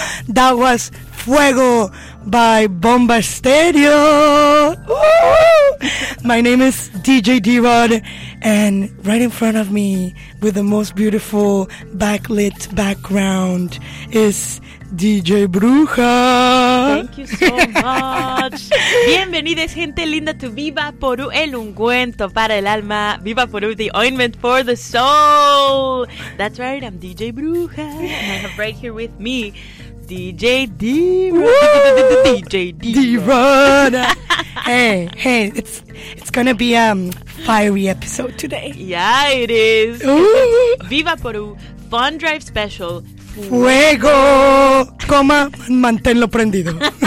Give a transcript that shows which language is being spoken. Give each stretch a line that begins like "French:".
English: That was Fuego by Bomba Stereo. My name is DJ D-Rod, and right in front of me, with the most beautiful backlit background, is DJ Bruja. Thank you so much.
Spanish: Bienvenidos, gente linda, to Viva Porú, el ungüento para el alma.
English: Viva Porú, the ointment for the soul. That's right, I'm DJ Bruja, and I have right here with me DJ D-Rod. DJ D-Rod. Hey, it's gonna be a fiery episode today. Yeah, it is. Viva Porú, Fun Drive Special.
Spanish: Fuego, coma, manténlo prendido.